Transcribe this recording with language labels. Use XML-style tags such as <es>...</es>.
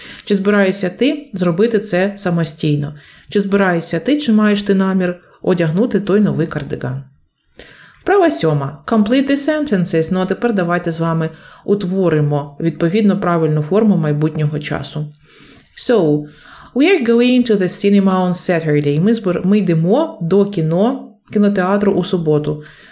<uk>Чи збираєшся ти зробити це самостійно? Чи збираєшся ти, чи маєш ти намір одягнути той новий кардиган?</uk> <en>Вправа 7. Complete the sentences.</en> <uk>Ну, а тепер давайте з вами утворимо відповідно правильну форму майбутнього часу.</uk> <en>So, we are going to the cinema on Saturday.</en> <uk>Ми йдемо до кінотеатру у суботу.</uk>